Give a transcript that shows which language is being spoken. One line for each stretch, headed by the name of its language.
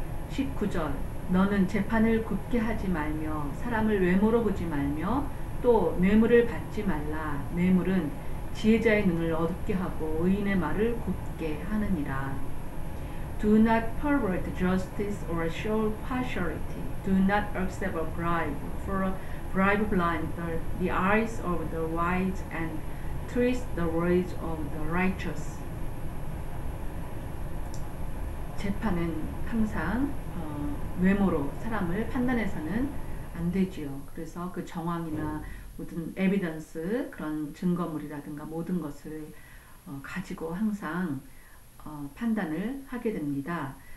Korean: 19절 너는 재판을 굳게 하지 말며 사람을 외모로 보지 말며 또 뇌물을 받지 말라. 뇌물은 지혜자의 눈을 어둡게 하고 의인의 말을 굳게 하느니라.
English: Do not pervert justice or show partiality. Do not accept a bribe, for a bribe blinds the eyes of the wise and twists the words of the righteous.
Korean: 재판은 항상 외모로 사람을 판단해서는 안 되지요. 그래서 그 정황이나 모든 에비던스, 그런 증거물이라든가 모든 것을 가지고 항상 판단을 하게 됩니다.